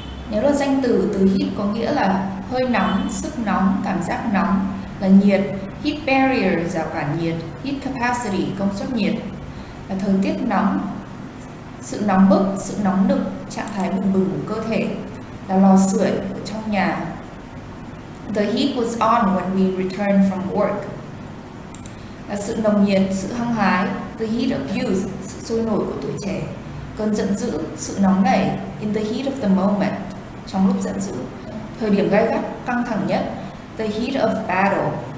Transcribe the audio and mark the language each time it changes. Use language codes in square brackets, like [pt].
[vi] Nếu là danh từ, từ heat có nghĩa là hơi nóng, sức nóng, cảm giác nóng, là nhiệt. [en] Heat barrier, [vi] rào cản nhiệt. [en] Heat capacity, [vi] công suất nhiệt. Là thời tiết nóng, sự nóng bức, sự nóng nực, trạng thái bừng bừng của cơ thể. Là lò sưởi ở trong nhà. [en] The heat was on when we returned from work. [vi] Là sự nồng nhiệt, sự hăng hái. [en] The heat of youth, [vi] sự sôi nổi của tuổi trẻ. Cơn giận dữ, sự nóng nảy. [en] In the heat of the moment, [vi] trong lúc giận dữ. Thời điểm gay gắt, căng thẳng nhất. [en] The heat of battle.